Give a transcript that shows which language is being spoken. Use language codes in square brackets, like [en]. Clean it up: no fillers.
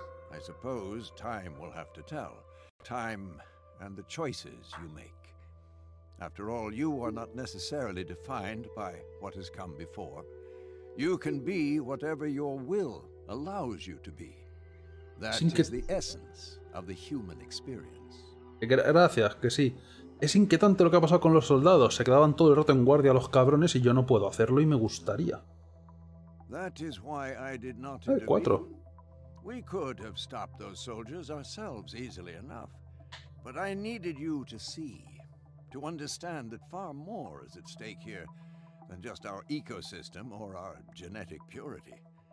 [en] I suppose time will have to tell. Time and the choices you make. After all, you are not necessarily defined by what has come before. You can be whatever your will allows you to be. That is the essence of the human experience. [es] Gracias, que sí. Es inquietante lo que ha pasado con los soldados. Se quedaban todo el rato en guardia los cabrones y yo no puedo hacerlo y me gustaría. [en] That is why I did not intervene. We could have stopped those soldiers ourselves easily enough. But I needed you to see, to understand that far more is at stake here. Than just our ecosystem or our genetic purity.